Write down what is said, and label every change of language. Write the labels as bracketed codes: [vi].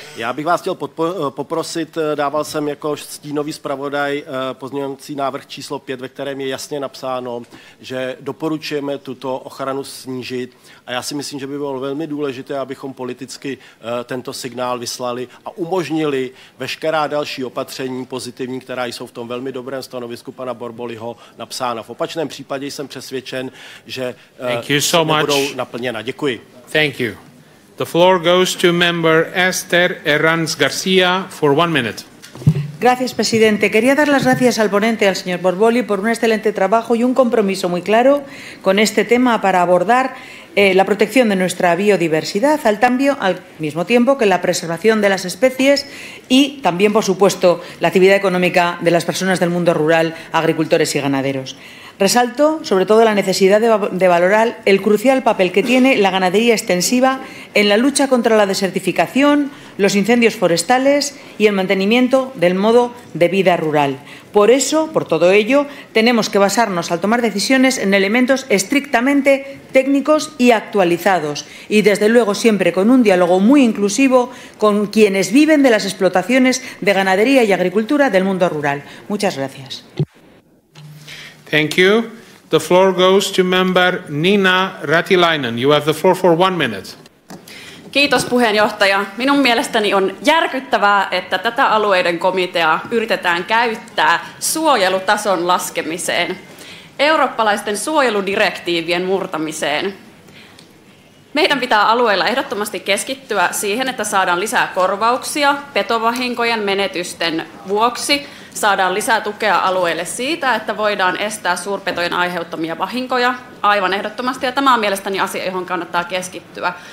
[cs] Já bych vás chtěl poprosit, dával jsem jako stínový zpravodaj pozměňovací návrh číslo 5, ve kterém je jasně napsáno, že doporučujeme tuto ochranu snížit a já si myslím, že by bylo velmi důležité, abychom politicky tento signál vyslali a umožnili veškerá další opatření pozitivní, která jsou v tom velmi dobrém stanovisku pana Borbolyho napsána. V opačném případě jsem přesvědčen, že se nebudou naplněna. Děkuji. [en] Thank you. The floor goes to member Esther Herranz García for 1 minute. [es] Gracias, presidente. Quería dar las gracias al ponente, al señor Borbolly, por un excelente trabajo y un compromiso muy claro con este tema para abordar la protección de nuestra biodiversidad al mismo tiempo que la preservación de las especies y también, por supuesto, la actividad económica de las personas del mundo rural, agricultores y ganaderos. Resalto, sobre todo, la necesidad de valorar el crucial papel que tiene la ganadería extensiva en la lucha contra la desertificación, los incendios forestales y el mantenimiento del modo de vida rural. Por eso, por todo ello, tenemos que basarnos al tomar decisiones en elementos estrictamente técnicos y actualizados y, desde luego, siempre con un diálogo muy inclusivo con quienes viven de las explotaciones de ganadería y agricultura del mundo rural. Muchas gracias. [en] Thank you. The floor goes to member Nina Ratilainen. You have the floor for 1 minute. [fi] Kiitos puheenjohtaja. Minun mielestäni on järkyttävää, että tätä alueiden komiteaa yritetään käyttää suojelutason laskemiseen, eurooppalaisten suojeludirektiivien murtamiseen. Meidän pitää alueilla ehdottomasti keskittyä siihen, että saadaan lisää korvauksia petovahinkojen menetysten vuoksi, saadaan lisää tukea alueelle siitä, että voidaan estää suurpetojen aiheuttamia vahinkoja aivan ehdottomasti, ja tämä on mielestäni asia, johon kannattaa keskittyä.